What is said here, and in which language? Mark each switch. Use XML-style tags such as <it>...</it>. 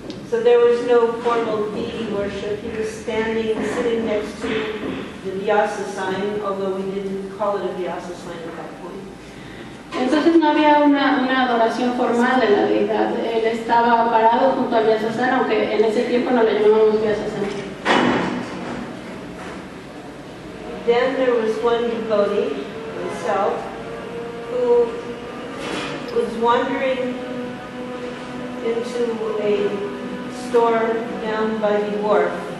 <en>So there was no formal deity worship. He was standing, sitting next to the Vyasa sign, although we didn't call it a Vyasa sign at that point.</en> <es>Entonces no había una adoración formal de la deidad. Él estaba parado junto al Vyasa sign, aunque en ese tiempo no le llamábamos Vyasa sign.</es> <en>Then there was one devotee, myself, who was wandering into a store down by the wharf.</en>